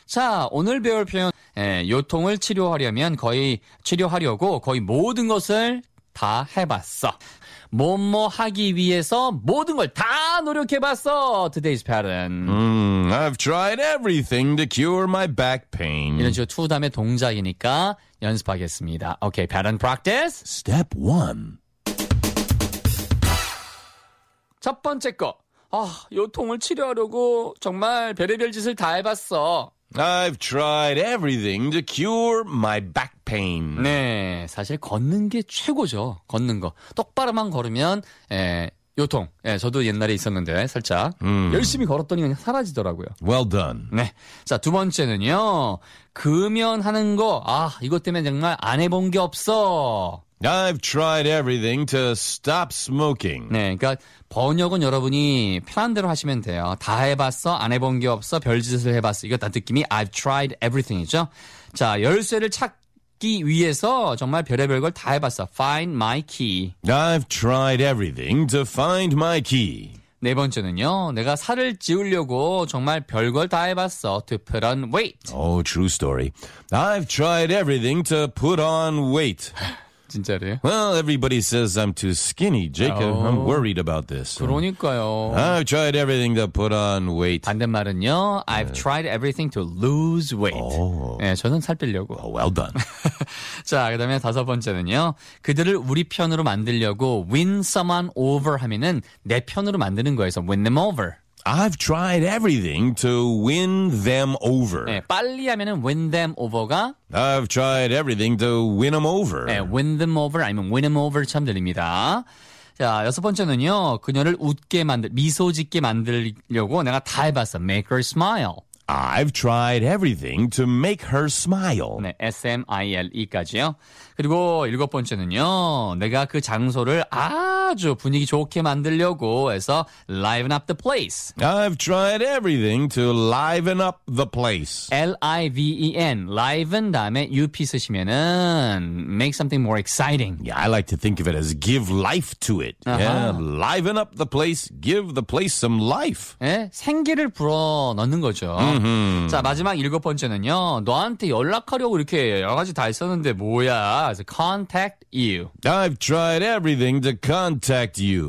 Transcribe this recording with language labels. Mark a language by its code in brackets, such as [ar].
[ko] 자, 오늘 배울 표현, 요통을 치료하려면 거의 모든 것을 다 해봤어. 뭐뭐 하기 위해서 모든 걸 다 노력해봤어. [en] Today's pattern. I've tried everything to cure my back pain. [ko] 이런 식으로 투담의 동작이니까 연습하겠습니다. [en] Okay, pattern practice. Step one. [ko] 첫 번째 거. 아, 요통을 치료하려고 정말 별의별 짓을 다 해봤어. [en] I've tried everything to cure my back pain. [ko] 네, 사실 걷는 게 최고죠. 걷는 거. 똑바로만 걸으면 요통. 예, 저도 옛날에 있었는데 살짝. 열심히 걸었더니 그냥 사라지더라고요. [en] Well done. [ko] 네. 자, 두 번째는요. 금연하는 거. 아, 이것 때문에 정말 안 해본 게 없어. [en] I've tried everything to stop smoking. [ko] 네, 그러니까 번역은 여러분이 편한 대로 하시면 돼요. 다 해봤어, 안 해본 게 없어, 별짓을 해봤어. 이거 다 느낌이 [en] I've tried everything [ko] 이죠. 자, 열쇠를 찾기 위해서 정말 별의별 걸 다 해봤어. [en] Find my key. I've tried everything to find my key. [ko] 네 번째는요. 내가 살을 찌우려고 정말 별걸 다 해봤어. [en] To put on weight. Oh, true story. I've tried everything to put on weight. [ko] 진짜래요? [en] Well, everybody says I'm too skinny, Jacob. I'm worried about this. [ko] 그러니까요. [en] I've tried everything to put on weight. [ko] 반대말은요. [en] I've tried everything to lose weight. [ko] 네, 저는 살 빼려고. [en] Oh, well done. [ko] 자, 그 다음에 다섯 번째는요. 그들을 우리 편으로 만들려고 [en] win someone over [ko] 하면은 내 편으로 만드는 거에서 [en] win them over. I've tried everything to win them over. [ko] 네, 빨리 하면은 [en] win them over [ko] 가 [en] I've tried everything to win them over. [ko] 네, [en] win them over [ko] 아니면 win them over 참 들립니다. 자, 여섯 번째는요. 그녀를 웃게 만들, 미소 짓게 만들려고 내가 다 해봤어. [en] Make her smile. I've tried everything to make her smile. [ko] 네, S-M-I-L-E까지요. 그리고 일곱 번째는요. 내가 그 장소를 아주 분위기 좋게 만들려고 해서 [en] liven up the place. I've tried everything to liven up the place. L-I-V-E-N. liven [ko] 다음에 [en] up [ko] 쓰시면은 [en] make something more exciting. Yeah, I like to think of it as give life to it. Uh-huh. Yeah, liven up the place. Give the place some life. [ko] 네, 생기를 불어넣는 거죠. Mm-hmm. 자, 마지막 일곱 번째는요. 너한테 연락하려고 이렇게 여러 가지 다 했었는데 뭐야? [en] So contact you. I've tried everything to contact you.